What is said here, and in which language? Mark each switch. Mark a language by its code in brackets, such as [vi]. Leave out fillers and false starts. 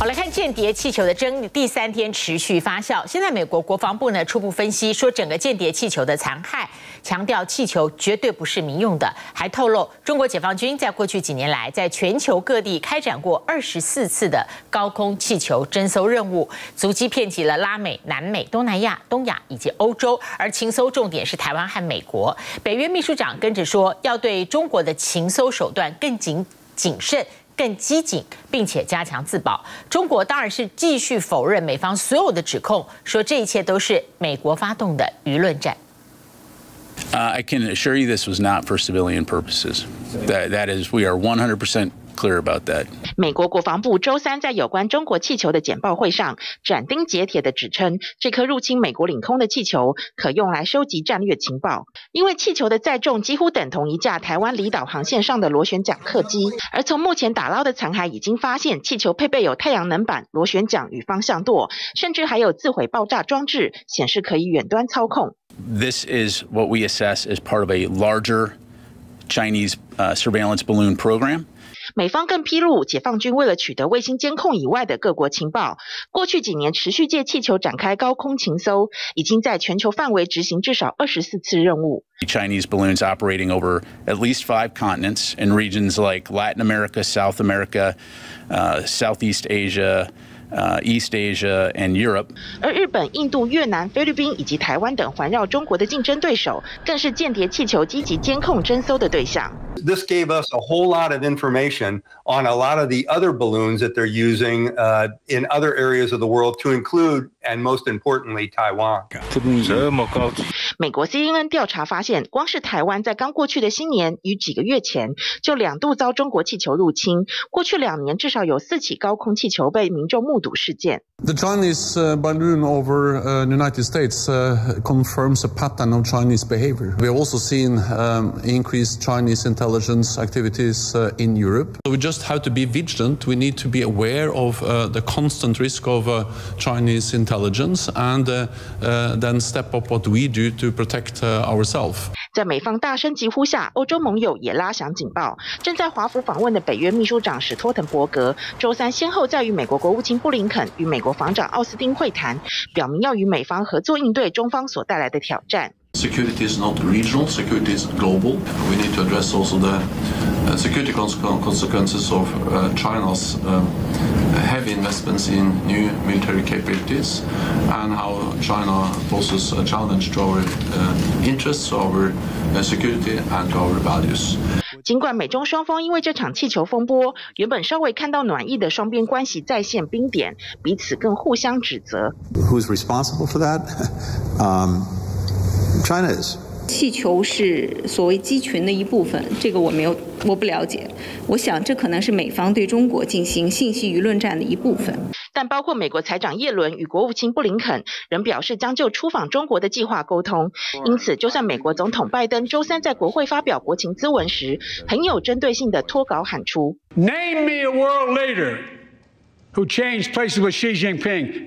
[zh] 间谍气球的争议第三天持续发酵，现在美国国防部呢初步分析说，整个间谍气球的残害，强调气球绝对不是民用的，还透露中国解放军在过去几年来在全球各地开展过24次的高空气球侦搜任务，足迹遍及了拉美、南美、东南亚、东亚以及欧洲，而情搜重点是台湾和美国。北约秘书长跟着说，要对中国的情搜手段更谨慎。更激进，并且加强自保。中国当然是继续否认美方所有的指控，说这一切都是美国发动的舆论战。 [en] I can assure you this was not for civilian purposes. That is, we are 100% clear about that. [zh] 美国国防部周三在有关中国气球的简报会上斩钉截铁地指称，这颗入侵美国领空的气球可用来收集战略情报，因为气球的载重几乎等同一架台湾离岛航线上的螺旋桨客机。而从目前打捞的残骸已经发现，气球配备有太阳能板、螺旋桨与方向舵，甚至还有自毁爆炸装置，显示可以远端操控。 [en] This is what we assess as part of a larger Chinese surveillance balloon program. [zh] 美方更披露，解放军为了取得卫星监控以外的各国情报，过去几年持续借气球展开高空情搜，已经在全球范围执行至少24次任务。 [en] Chinese balloons operating over at least 5 continents in regions like Latin America, South America, Southeast Asia. East Asia and Europe. [zh] 而日本、印度、越南、菲律宾以及台湾等环绕中国的竞争对手，更是间谍气球积极监控侦搜的对象。 [en] This gave us a whole lot of information on a lot of the other balloons that they're using in other areas of the world, to include and most importantly, Taiwan. [zh] 这么高级。美国 CNN 调查发现，光是台湾在刚过去的新年与几个月前，就两度遭中国气球入侵。过去两年，至少有4起高空气球被民众目睹事件。 [en] The Chinese balloon over the United States confirms a pattern of Chinese behavior. We've also seen increased Chinese intelligence activities in Europe. So we just have to be vigilant. We need to be aware of the constant risk of Chinese intelligence and then step up what we do to protect ourselves. [zh] 在美方大声疾呼下，欧洲盟友也拉响警报。正在华府访问的北约秘书长史托滕伯格周三先后在与美国国务卿布林肯与美国防长奥斯汀会谈，表明要与美方合作应对中方所带来的挑战。 [en] Security is not regional, security is global. We need to address also the security consequences of China's heavy investments in new military capabilities and how China poses a challenge to our interests, our security and our values. [zh] 尽管美中双方因为这场气球风波，原本稍微看到暖意的双边关系再现冰点，彼此更互相指责。 [en] Who's responsible for that? China is. [zh] 气球是所谓机群的一部分，这个我不了解。我想这可能是美方对中国进行信息舆论战的一部分。但包括美国财长耶伦与国务卿布林肯仍表示将就出访中国的计划沟通，因此就算美国总统拜登周三在国会发表国情咨文时，很有针对性的脱稿喊出 [en] Name me a world leader who changed places with Xi Jinping.